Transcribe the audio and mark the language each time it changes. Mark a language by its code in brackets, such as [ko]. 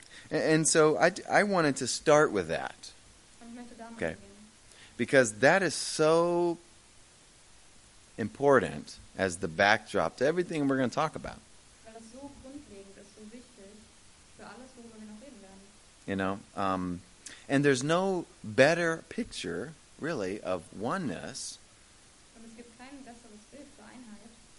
[en] And so I wanted to start with that. [de] Und ich möchte damit gehen. [en] Because that is so important as the backdrop to everything we're going to talk about. [de] Weil das so grundlegend ist, so wichtig für alles, worüber wir noch reden werden. [en] You know, and there's no better picture, really, of oneness. [de] Und es gibt kein besseres Bild für Einheit.